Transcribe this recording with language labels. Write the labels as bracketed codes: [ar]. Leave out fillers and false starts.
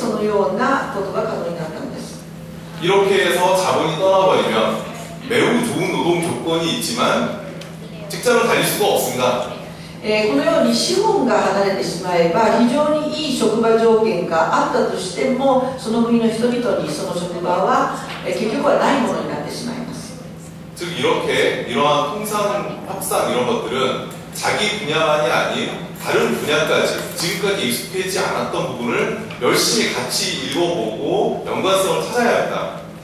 [ja] 즉,その投資家保護の条項によってそのようなことが可能になった. [ko] 이렇게 해서 자본이 떠나버리면 매우 좋은 노동 조건이 있지만 직장을 다닐 수가 없습니다. [ja] このように資本が離れてしまえば非常にいい職場条件があったとしてもその国の人々にその職場は結局はないものになってしまいます。 [ko] 즉 이렇게 이러한 통상 확산 이런 것들은 자기 분야만이 아닌 다른 분야까지 지금까지 익숙해지 않았던 부분을 열심히 같이 읽어보고 연관성을 찾아야 합니다.